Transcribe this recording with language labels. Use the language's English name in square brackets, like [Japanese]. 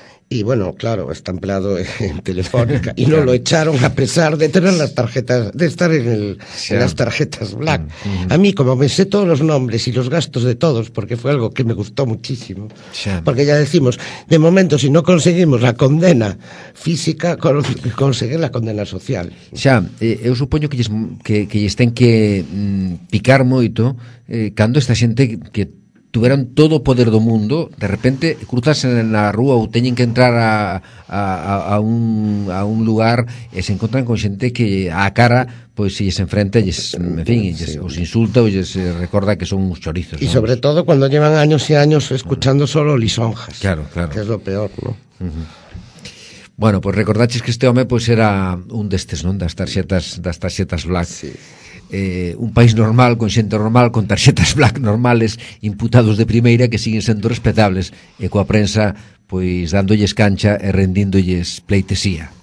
[Spanish] Y bueno, claro, está empleado en Telefónica y no claro. Lo echaron a pesar de tener las tarjetas, de estar en el sí. En las tarjetas black. Uh-huh. A mí, como me sé todos los nombres y los gastos de todos, porque fue algo que me gustó muchísimo, porque ya decimos, de momento, si no conseguimos la condena física, conseguir la condena social. [Galician] Xa, eu supoño que lles ten que picar moito cando esta xente que tuveran todo o poder do mundo, de repente cruzase na rúa ou teñen que entrar a un lugar e se encontran con xente que á cara pois se lles enfrenta, os insulta ou lles recorda que son uns chorizos. [Spanish] E sobre todo cuando llevan años e años escuchando solo lisonjas. Claro, claro. Que es lo peor, ¿no? [Galician] Uh-huh. Bueno, pois recordaches que este home pois era un destes, non? Das tarxetas black. Sí. Un país normal, con xente normal, con tarxetas black normales, imputados de primeira, que siguen sendo respetables, e coa prensa, pois, dándolles cancha e rendíndolles pleitesía.